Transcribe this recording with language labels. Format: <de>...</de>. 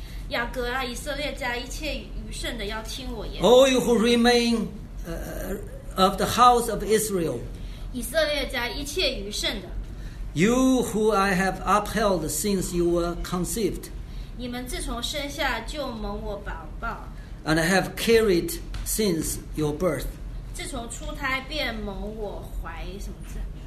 <zh>雅各啊，以色列家，一切余剩的要听我言。</zh> <en>All you who remain of the house of Israel,</en> <zh>以色列家一切余剩的。</zh> <en>You who I have upheld since you were conceived,</en> <zh>你们自从生下就蒙我保抱。</zh> <en>And I have carried since your birth,</en> <zh>自从出胎便蒙我怀什么字？</zh>